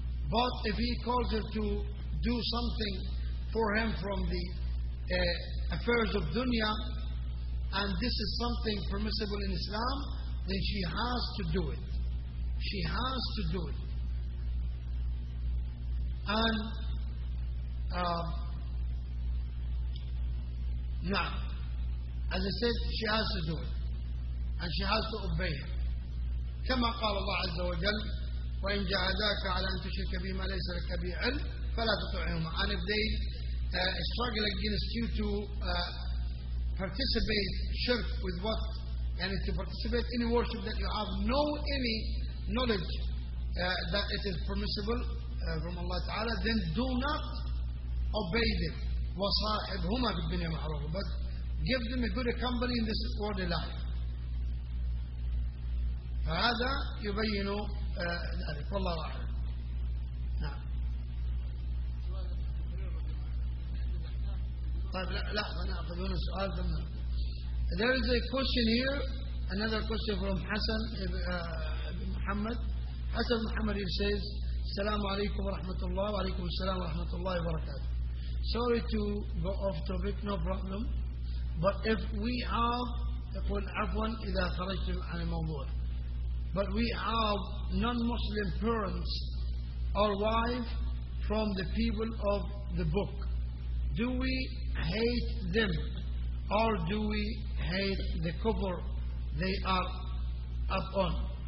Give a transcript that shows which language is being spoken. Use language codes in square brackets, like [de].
[en] But if he calls her to do something for him from the affairs of dunya, and this is something permissible in Islam, then she has to do it. She has to do it. And as I said, she has to do it. And she has to obey it. [ar] كما قال الله عز وجل وإن جاهداك على أن تشرك به ما ليس لك به علم فلا تطعهما. [en] And if they struggle against you to participate shirk with what and to participate any worship that you have no any knowledge that it is permissible from Allah Ta'ala, then do not obey them. [ar] وصاحبهما في الدنيا معروف. [en] But give them a good company in this world life. [ar] فهذا يبين ذلك والله أعلم. طيب لا أنا أخذون السؤال ثم [en] there is a question here, another question from حسن بن محمد. [ar] حسن محمد [en] he says [ar] السلام عليكم ورحمة الله. وعليكم السلام ورحمة الله وبركاته. [en] Sorry to go off topic, no problem. But if we have [ar] يقول عفوا إذا خرجت عن الموضوع. [en] But we have non-Muslim parents or wife from the people of the book. Do we hate them or do we hate the cover they are up on?